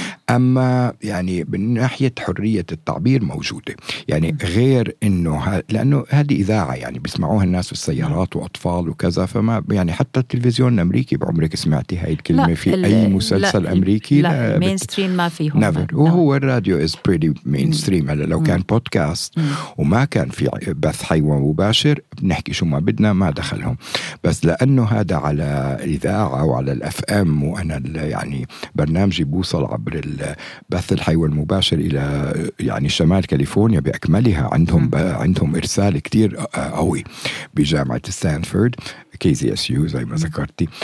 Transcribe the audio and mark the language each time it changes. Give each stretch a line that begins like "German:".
Arabic: أما يعني من ناحية حرية التعبير موجودة، يعني غير إنه لأنه هذه إذاعة يعني بيسمعوها الناس والسيارات وأطفال وكذا، فما يعني حتى التلفزيون الأمريكي بعمرك سمعتي هاي الكلمة في أي مسلسل أمريكي؟ لا مينستريم ما فيهم.
English: Never.
Arabic: وهو الراديو
English: is pretty mainstream.
Arabic: لو كان بودكاست وما كان في بث حيوان مباشر بنحكي شو ما بدنا ما دخلهم، بس لأنه هذا على إذاعة وعلى الأف أم، وأنا يعني برنامجي بوصل عبر البث الحيوان المباشر إلى يعني شمال كاليفورنيا بأكملها، عندهم عندهم إرسال كتير قوي بجامعة ستانفورد KZSU زي ما ذكرتي.